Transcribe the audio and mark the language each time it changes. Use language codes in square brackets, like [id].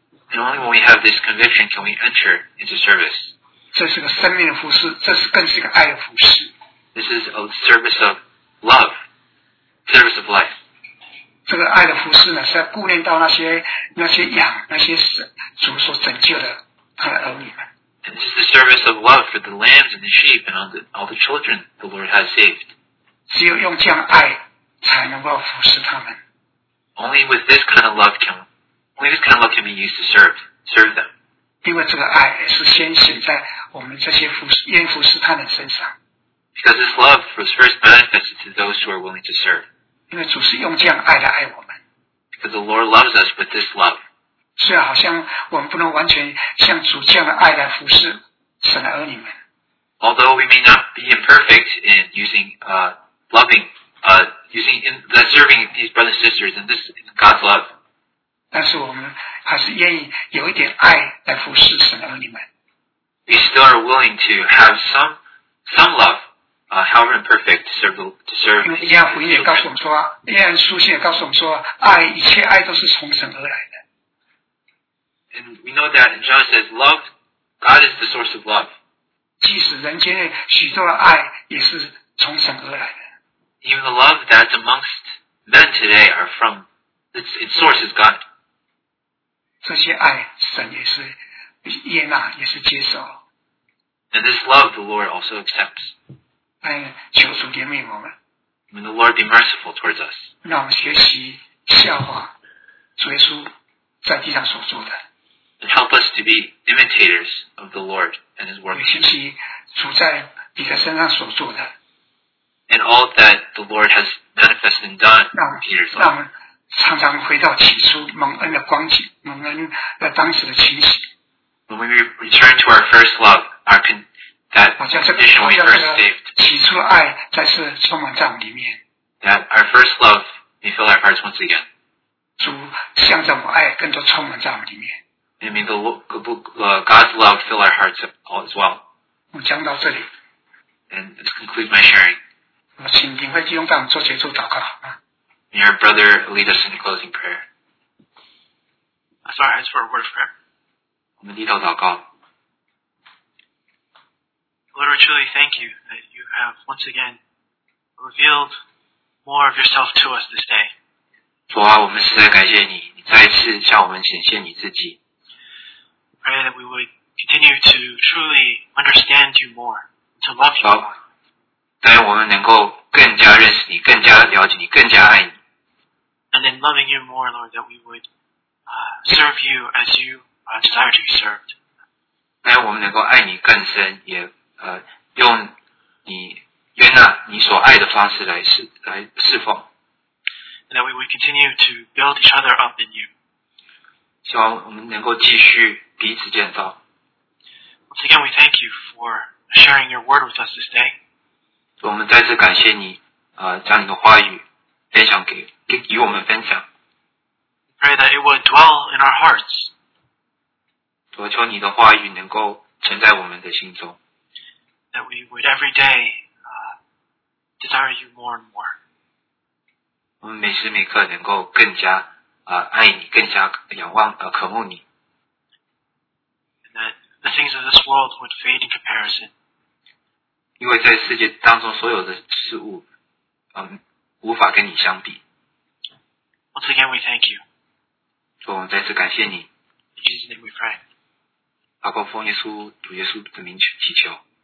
[en] And only when we have this conviction can we enter into service. [zh] 这是个生命的服事，这是更是一个爱的服事。 [en] This is a service of love, service of life. [zh] 这个爱的服事呢，是要顾念到那些羊，那些主所拯救的他的儿女们。 [en] And this is the service of love for the lambs and the sheep and all the children the Lord has saved. [zh] 只有用这样爱才能够服侍他们。 [en] Only with this kind of love can, only this kind of love can be used to serve them. [zh] 因为这个爱是先显在我们这些服侍他们身上。 [en] Because this love was first manifested to those who are willing to serve. [zh] 因为主是用这样爱来爱我们。 [en] Because the Lord loves us with this love. [zh] 虽然好像我们不能完全像主这样的爱来服侍神的儿女们。 [en] Although we may not be imperfect in using, loving, using, in, serving these brothers and sisters in this, in God's love. [zh] 但是我们还是愿意有一点爱来服侍神儿女们。 [en] We still are willing to have some love, however imperfect, to serve. [zh] 因为约翰福音也告诉我们说，约翰书信也告诉我们说，爱，一切爱都是从神而来的。 [en] And we know that, and John says, love, God is the source of love. [zh] 即使人间许多的爱也是从神而来的。 [en] Even the love that's amongst men today are from, its source is God. [zh] 这些爱神也是接纳，也是接受。 [en] And this love the Lord also accepts. [zh] 哎，求主怜悯我们。 [en] May the Lord be merciful towards us. [zh] 让我们学习效法主耶稣在地上所做的。 [en] And help us to be imitators of the Lord and His work. [zh] 每星期主在你的身上所做的。 [en] And all that the Lord has manifested and done in Peter's life. [zh] 让常常回到起初蒙恩的光景，蒙恩的当时的情形。 [en] When we return to our first love, our that condition we first saved. [zh] 起初的爱再次充满在我们里面。 [en] That our first love may fill our hearts once again. [zh] 主向着我们爱更多充满在我们里面。 [en] And may God's love fill our hearts as well. [zh] 我讲到这里。 [en] And let's conclude my sharing. [zh] 请林慧基兄帮我们做结束祷告。 [en] May our brother lead us in the closing prayer. That's our eyes for a word of prayer. [zh] 我们低头祷告。 [en] Lord, we truly thank you that you have once again revealed more of yourself to us this day. [zh] 主啊，我们实在感谢你，你再一次向我们显现你自己。 [en] Pray that we would continue to truly understand you more, to love you more. [zh] 但我们能够更加认识你，更加了解你，更加爱你。 [en] And in loving you more, Lord, that we would serve you as you desire to be served. [zh] 但我们能够爱你更深，也用你悦纳你所爱的方式来侍奉。 [en] And that we would continue to build each other up in you. [zh] 希望我们能够继续彼此建造。 [en] Once again, we thank you for sharing your word with us this day. [zh] 我们再次感谢你将你的话语分享给与我们分享。 [en] Pray that it would dwell in our hearts. [zh] 我求你的话语能够存在我们的心中。 [en] That we would every day, desire you more and more. [zh] 我们每时每刻能够更加爱你，更加仰望渴慕你。 [en] And that the things of this world would fade in comparison. [zh] 因为在世界当中所有的事物无法跟你相比。 [en] Once again, we thank you. [zh] 我们再次感谢你。 [en] In Jesus' name we pray. [zh] 祷告奉耶稣主耶稣的名祈求。